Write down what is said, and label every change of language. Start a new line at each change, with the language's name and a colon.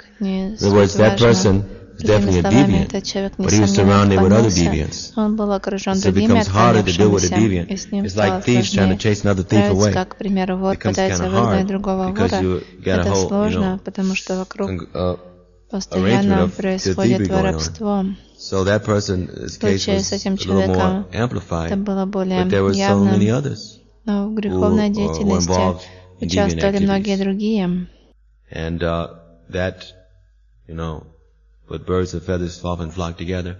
English: In other words, that person is definitely a deviant, but he was surrounded with other deviants. So it becomes harder to deal with a deviant. It's like thieves trying to chase another thief away. It becomes kind of hard because you got a whole, you know,
Russian: постоянно происходит воровство.
English: So that person, this case was a little more amplified, but there were so many others who were involved in deviant activities. And that, you know, but birds of feathers often flock together.